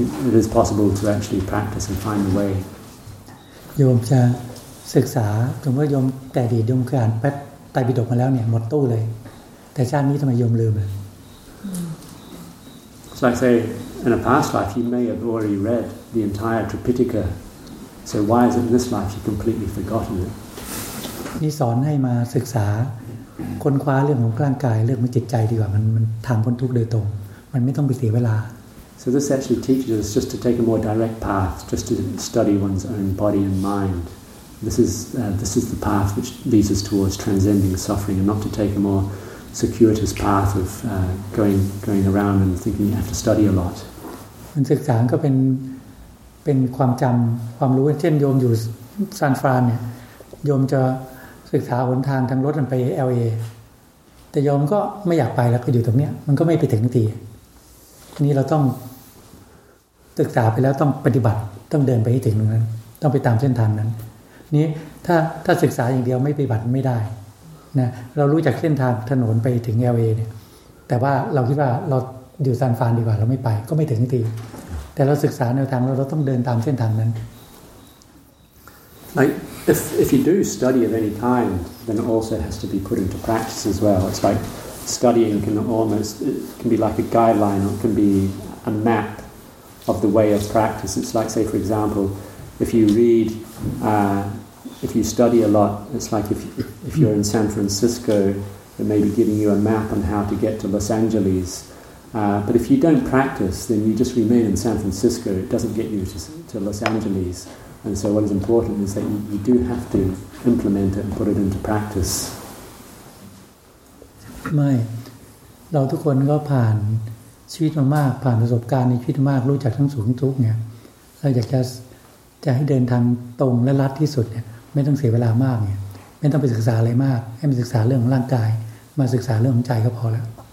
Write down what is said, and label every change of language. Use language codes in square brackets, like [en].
[en] It is possible to actually practice and find the way. [th] โยมจะศึกษาถึงว่าโยมแต่ดีโยมเคยอ่านไตรปิฎกมาแล้วเนี่ยหมดตู้เลยแต่ชาตินี้ทำไมโยมลืมอ่ะ [en] So I say. In a past life, you may have already read the entire Tripitaka. So why is it in this life you've completely forgotten it? [th] นี่สอนให้มาศึกษาค้นคว้าเรื่องของร่างกายเรื่องของจิตใจดีกว่ามันทางพ้นทุกข์โดยตรงมันไม่ต้องไปเสียเวลา [en] So this actually teaches us just to take a more direct path, just to study one's own body and mind. This is the path which leads us towards transcending suffering, and not to take a more... circuitous path of going around and thinking you have to study a lot. [th] มันศึกษาก็เป็นความจำความรู้เช่นโยมอยู่ซานฟรานเนี่ยโยมจะศึกษาหนทางทางรถมันไป LA แต่โยมก็ไม่อยากไปแล้วก็อยู่ตรงเนี้ยมันก็ไม่ไปถึงทีนี้เราต้อง ศึกษาไปแล้วต้องปฏิบัติต้องเดินไปให้ถึงตรงนั้นต้องไปตามเส้นทางนั้นนี้ถ้าศึกษาอย่างเดียวไม่ปฏิบัติไม่ได้นะเรารู้จักเส้นทางถนนไปถึง LA เนี่ยแต่ว่าเราคิดว่าเราอยู่ซานฟรานดีกว่าเราไม่ไปก็ไม่ถึงทีแต่เราศึกษาแนวทางเราต้องเดินตามเส้นทางนั้น [en] Like if you do study of any kind then it also has to be put into practice as well it's like studying can be like a guideline or can be a map of the way of practice it's like say for example if you readIf you study a lot, it's like if you're in San Francisco, it may be giving you a map on how to get to Los Angeles. But if you don't practice, then you just remain in San Francisco. It doesn't get you to Los Angeles. And so what is important is that you do have to implement it and put it into practice. [th] ไม่เราทุกคนก็ผ่านชีวิตมามากผ่านประสบการณ์ในชีวิตมากรู้จักทั้งสูงทุกข์เนี่ยเราอยากจะให้เดินทางตรงและลัดที่สุดเนี่ยไม่ต้องเสียเวลามากเนี่ยไม่ต้องไปศึกษาอะไรมากให้มาศึกษาเรื่องของร่างกายมาศึกษาเรื่องของใจก็พอแล้ว